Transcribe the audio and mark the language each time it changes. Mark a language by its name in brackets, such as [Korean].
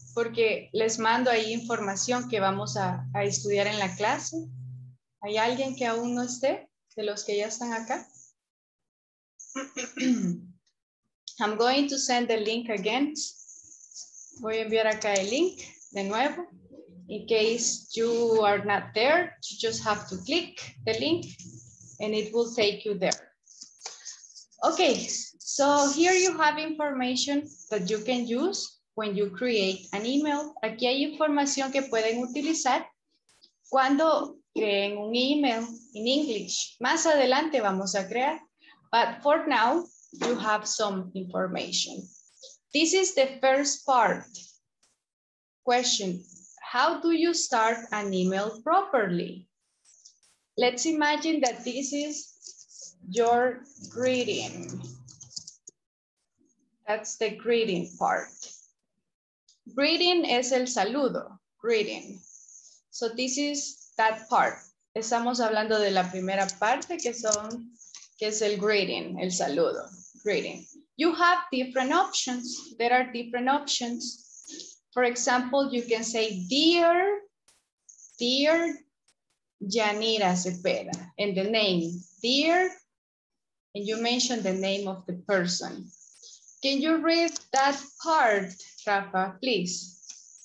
[Spanish] Porque les mando ahí información que vamos a estudiar en la clase. ¿Hay alguien que aún no esté de los que ya están acá? [English] I'm going to send the link again. [Spanish] Voy a enviar acá el link de nuevo. [English] In case you are not there, you just have to click the link. And it will take you there. Okay, so here you have information that you can use when you create an email. [Spanish] Aquí hay información que pueden utilizar cuando creen un email [English] in English. [Spanish] Más adelante vamos a crear, [English] but for now you have some information. This is the first part. Question: how do you start an email properly? Let's imagine that this is your greeting. That's the greeting part. Greeting [Spanish] es el saludo, [English] greeting. So this is that part. [Spanish] estamos hablando de la primera parte que son, que es el greeting, el saludo, greeting. [English] You have different options. There are different options. For example, you can say, dear, dear Yanira Cepeda, and the name, dear, and you mention the name of the person. Can you read that part, Rafa, please?